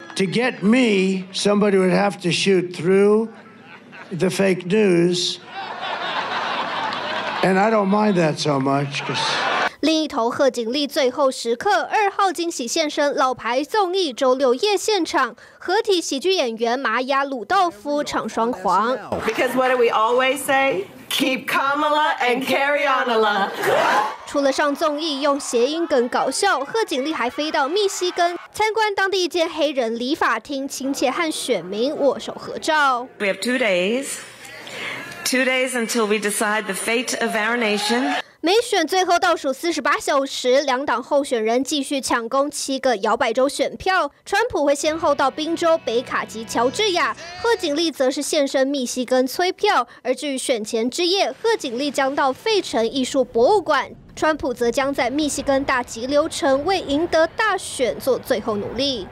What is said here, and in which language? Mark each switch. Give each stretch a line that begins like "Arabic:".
English: To get me, somebody would have to shoot through. The fake news, and I don't mind that so much.
Chinese: 另一头，贺锦丽最后时刻2号惊喜现身老牌综艺《周六夜现场》，合体喜剧演员玛雅·鲁道夫唱双簧。
English: Because what do we always say? Keep Kamala and carry on, Ella.
Chinese: 除了上综艺用谐音梗搞笑，贺锦丽还飞到密西根参观当地一间黑人理发厅，亲切和选民握手合照。
English: We have two days until we decide the fate of our nation.
Chinese: 美选最后倒数48小时，两党候选人继续抢攻7个摇摆州选票。川普会先后到宾州、北卡及乔治亚，贺锦丽则是现身密西根催票。而至于选前之夜，贺锦丽将到费城艺术博物馆，川普则将在密西根大急流城为赢得大选做最后努力。